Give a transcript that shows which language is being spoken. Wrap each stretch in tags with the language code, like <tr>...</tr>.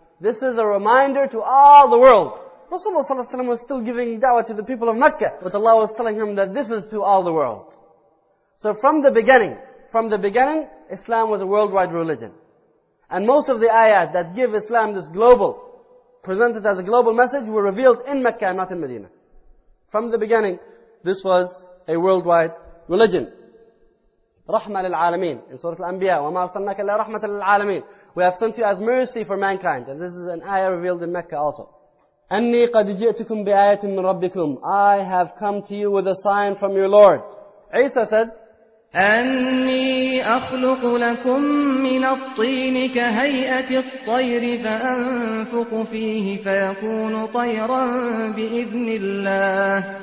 <en>This is a reminder to all the world. Rasulullah ﷺ was still giving da'wah to the people of Mecca, but Allah was telling him that this is to all the world. So from the beginning, from the beginning, Islam was a worldwide religion. And most of the ayat that give Islam this global, presented as a global message, were revealed in Mecca, not in Medina. From the beginning, this was a worldwide religion.</en> <ar>رحمة للعالمين in Surah Al-Anbiya وَمَا أَرْسَلْنَاكَ إِلَّا رَحْمَةً لِلْعَالَمِينَ.</ar> <en>We have sent you as mercy for mankind. And this is an ayah revealed in Mecca also.</en> <ar>أَنِّي قَدْ جِئْتُكُمْ بِآيَةٍ مِّن رَبِّكُمْ.</ar> <en>I have come to you with a sign from your Lord. Isa said,</en> <ar>أَنِّي أَخْلُقُ لَكُم مِّنَ الطِّينِ كَهَيْئَةِ الطَّيْرِ فَأَنفُقُ فِيهِ فَيَكُونُ طَيْرًا بِإِذْنِ اللَّهِ.</ar>